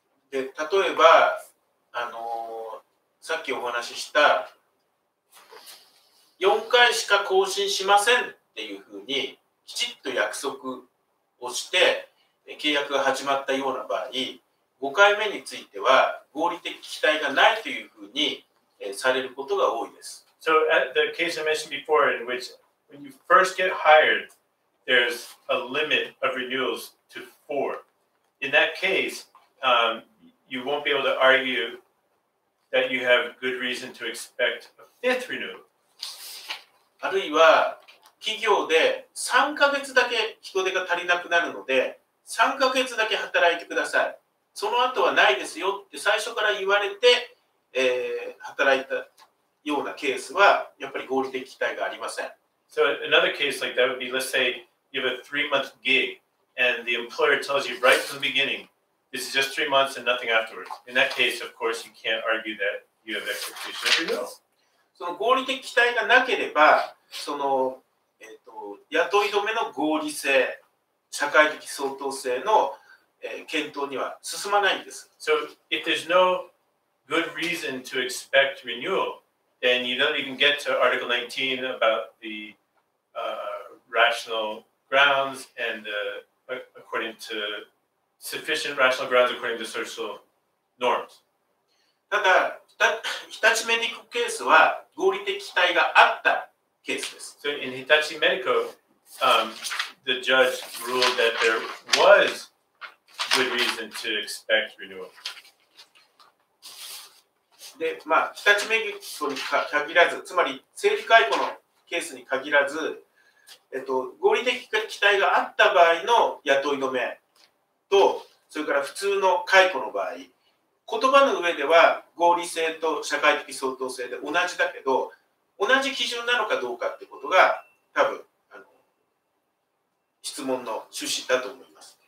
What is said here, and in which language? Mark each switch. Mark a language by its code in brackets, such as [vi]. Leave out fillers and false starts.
[ja] で、例えば、さっきお話しした4回しか更新しませんっていうふうにきちっと約束をして契約が始まったような場合、5回目については合理的期待がないというふうに、されることが多いです。 [en] So at the case I mentioned before in which when you first get hired, there's a limit of renewals to 4. In that case,、you won't be able to argue that you have good reason to expect a fifth renewal. [ja] あるいは企業で3ヶ月だけ人手が足りなくなるので3ヶ月だけ働いてください。その後はないですよって最初から言われて、働いたようなケースはやっぱり合理的期待がありません。 [en] So another case like that would be, let's say you have a three-month gig and the employer tells you right from the beginning, this is just 3 months and nothing afterwards. In that case, of course, you can't argue that you have expectation of renewal. [ja] その合理的期待がなければ、その、雇い止めの合理性、社会的相当性の検討には進まないんです。 [en] So if there's no good reason to expect renewal, then you don't even get to Article 19 about the、rational grounds and the, according to sufficient rational grounds according to social norms. [ja] ただ、Hitachi Medical ケースは合理的期待があったケースです。 [en] So in Hitachi Medical,、the judge ruled that there was good reason to expect renewal. [ja] で、まあ、日立メディコに限らず、つまり整理解雇のケースに限らず、合理的期待があった場合の雇い止めと、それから普通の解雇の場合、言葉の上では合理性と社会的相当性で同じだけど、同じ基準なのかどうかってことが、多分質問の趣旨だと思います。